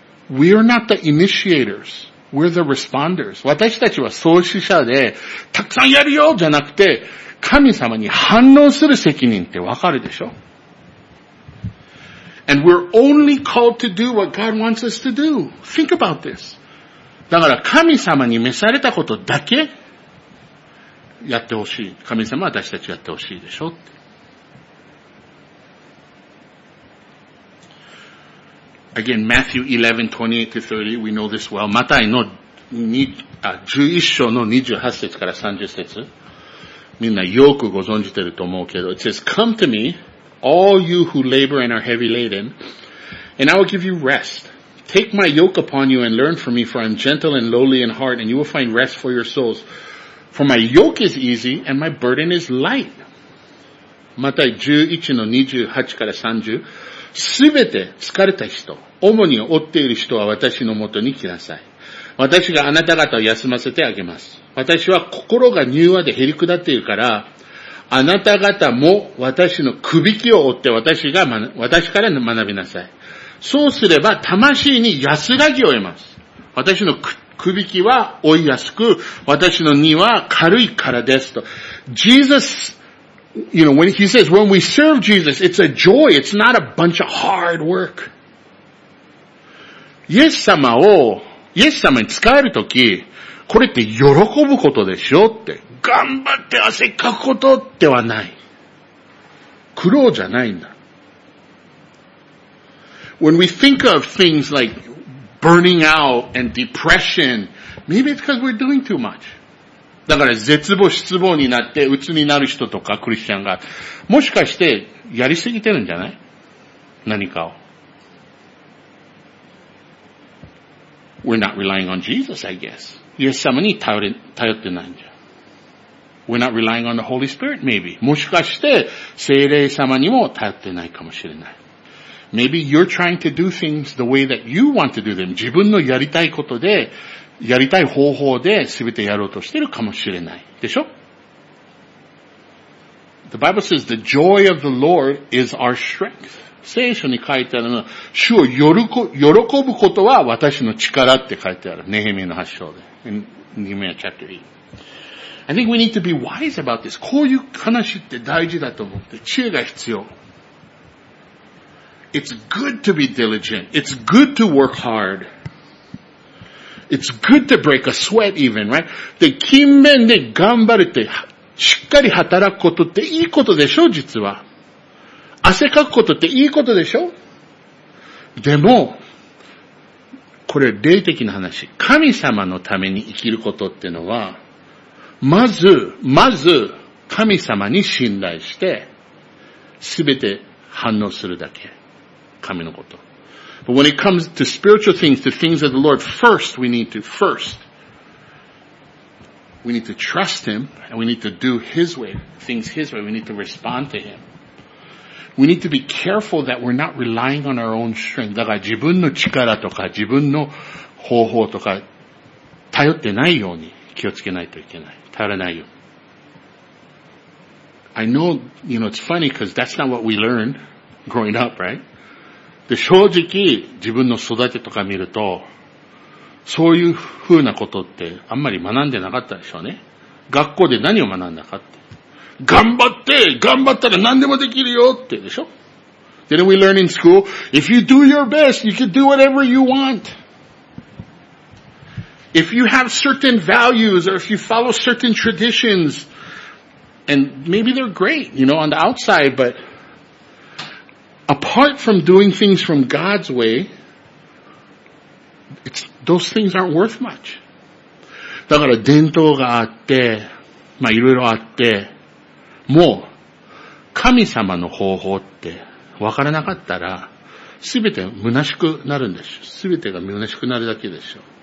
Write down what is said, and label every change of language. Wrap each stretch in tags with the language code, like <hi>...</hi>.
<en>We are not the initiators. We're the responders.</en> <ja>私たちは創始者で、たくさんやるよじゃなくて、神様に反応する責任ってわかるでしょ?</ja> <en>And we're only called to do what God wants us to do. Think about this.</en> <ja>だから神様に召されたことだけやってほしい。神様は私たちやってほしいでしょって。</ja> <en>Again, Matthew 11:28-30, we know this well.</en> <ja>マタイの 11章の28節から30節。みんなよくご存じてると思うけど、</ja> <en>It says, come to me, all you who labor and are heavy laden, and I will give you rest. Take my yoke upon you and learn from me, for I am gentle and lowly in heart, and you will find rest for your souls. For my yoke is easy, and my burden is light.</en> <ja>また11-28から30、すべて疲れた人、主に負っている人は私のもとに来なさい。私があなた方を休ませてあげます。私は心が柔和で減り下っているから、あなた方も私の首輝きを追って私から学びなさい。そうすれば魂に安らぎを得ます。私の首輝きは追いやすく、私の荷は軽いからですと。</ja> <en>Jesus, you know, when he says, when we serve Jesus, it's a joy, it's not a bunch of hard work.</en> <ja>イエス様に仕えるとき、これって喜ぶことでしょって。頑張って汗かくことではない。苦労じゃないんだ。</ja> <en>When we think of things like burning out and depression, maybe it's because we're doing too much.</en> <ja>だから絶望失望になって鬱になる人とかクリスチャンが、もしかしてやりすぎてるんじゃない? 何かを。</ja> <en>We're not relying on Jesus, I guess.</en> <ja>イエス様に頼ってないんじゃ。</ja> <en>We're not relying on the Holy Spirit, maybe.</en> <ja>もしかして、聖霊様にも頼ってないかもしれない。</ja> <en>Maybe you're trying to do things the way that you want to do them.</en> <ja>自分のやりたいことで、やりたい方法で全てやろうとしてるかもしれない。でしょ?</ja> <en>The Bible says the joy of the Lord is our strength.</en> <ja>聖書に書いてあるのは、主を喜ぶことは私の力って書いてある。ネヘミの8章で。ネヘミア chapter 8.</ja> <en>I think we need to be wise about this.</en> <ja>こういう話って大事だと思って。知恵が必要。</ja> <en>It's good to be diligent. It's good to work hard. It's good to break a sweat even, right?</en> <ja>で、勤勉で頑張れて、しっかり働くことっていいことでしょ、実は。汗かくことっていいことでしょ？でも、これ霊的な話。神様のために生きることっていうのは、まず神様に信頼して、すべて反応するだけ。神のこと。</ja> <en>But when it comes to spiritual things, to things of the Lord, first we need to trust Him, and we need to do His way, things His way, we need to respond to Him. We need to be careful that we're not relying on our own strength.</en> <ja>だから自分の力とか自分の方法とか頼ってないように気をつけないといけない。頼らないよ。</ja> <en>I know, you know, it's funny because that's not what we learned growing up, right?</en> <ja>で、正直自分の育てとか見ると、そういう風なことってあんまり学んでなかったでしょうね。学校で何を学んだかって。頑張ったら何でもできるよってでしょ?</ja> <en>Didn't we learn in school? If you do your best, you can do whatever you want. If you have certain values or if you follow certain traditions, and maybe they're great, you know, on the outside, but apart from doing things from God's way, those things aren't worth much.</en> <ja>だから伝統があって、まあいろいろあって、もう神様の方法って分からなかったら、すべて虚しくなるんです。すべてが虚しくなるだけでしょう。</ja>